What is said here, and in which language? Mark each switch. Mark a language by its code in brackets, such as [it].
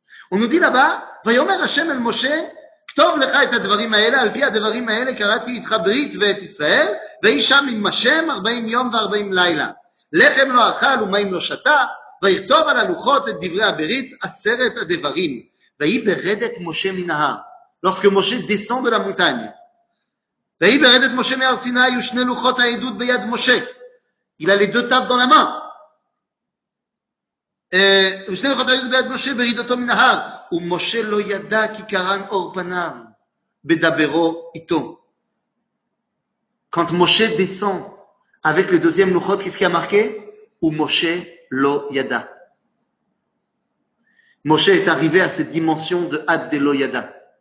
[fr] On nous dit là-bas, [he] « Vayomer Hashem el Moshe, k'tov lecha et advarim ha'ele, albi advarim ha'ele, karati itra brit ve et Israël, ve'isham im Hashem, 40 yom ve'arbaim laila. » לחם לא אכל ומים לא שתה, ויכתוב על הלוחות את דברי הברית עשרת הדברים, ויהי ברדת משה מנהר. [fr] Lorsque Moshe descend de la montagne, [he] ויהי ברדת משה מהר סיני, היו שני לוחות העדות ביד משה. [fr] Il a les deux tables dans la main. [he] ושני לוחות העדות ביד משה, ברידתו מנהר. ומשה לא ידע כי קרן אור פניו, בדברו איתו. [fr] Quand Moshe descend, avec le deuxième louchot, qu'est-ce qui a marqué? [he] Ou Moshe lo yada. [fr] Moshe est arrivé à cette dimension de [he] ad de lo yada.